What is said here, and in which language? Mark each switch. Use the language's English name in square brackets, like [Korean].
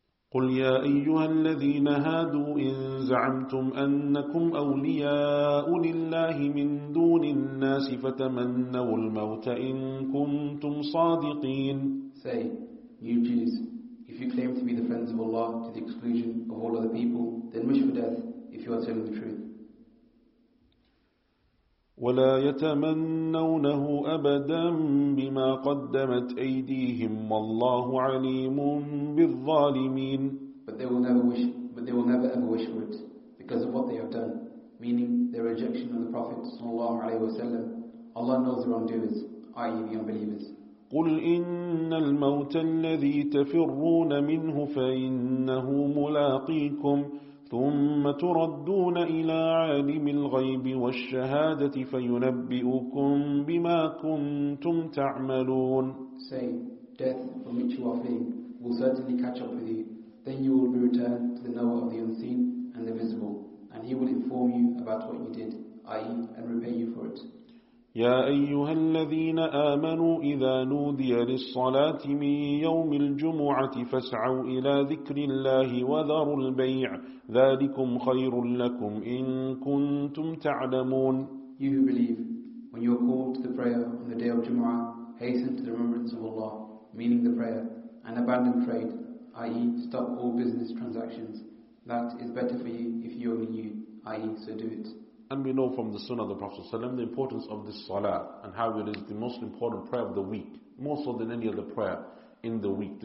[Arabic] قُلْ يَا أَيُّهَا الَّذِينَ هَادُوا إِنْ زَعَمْتُمْ أَنَّكُمْ أَوْلِيَاءُ لِلَّهِ مِنْ دُونِ النَّاسِ فَتَمَنَّوُا الْمَوْتَ إِنْ كُنْتُمْ صَادِقِينَ [English] Say, you Jews, if you claim to be the friends of Allah to the exclusion of all other people, then wish for death if you are telling the truth. [Arabic] ولا يتمنونه أبدا بما قدمت أيديهم والله عليم بالظالمين. [English] But they will never ever wish for it because of what they have done, meaning their rejection of the Prophet [Arabic] صلى الله عليه وسلم. [English] Allah knows the wrongdoers, i.e. the unbelievers. [Arabic] قل إن الموت الذي تفرون منه فإنه ملاقيكم. ثم تردون إلى عالم الغيب والشهادة فينبئكم بما كنتم تعملون. [English] Say, death from which you are fleeing will certainly catch up with you. Then you will be returned to the knower of the unseen and the visible, and he will inform you about what you did, i.e., and repay you for it. يا أيها الذين آمنوا إذا نودي للصلاة من يوم الجمعة فاسعوا إلى ذكر الله وذروا البيع ذلكم خير لكم إن كنتم تعلمون. You who believe, when you are called to the prayer on the day of Jumu'ah, hasten to the remembrance of Allah, meaning the prayer, and abandon trade, i.e. stop all business transactions. That is better for you if you only knew, i.e. so do it. And we know from the Sunnah of the Prophet ﷺ the importance of this Salah and how it is the most important prayer of the week, more so than any other prayer in the week.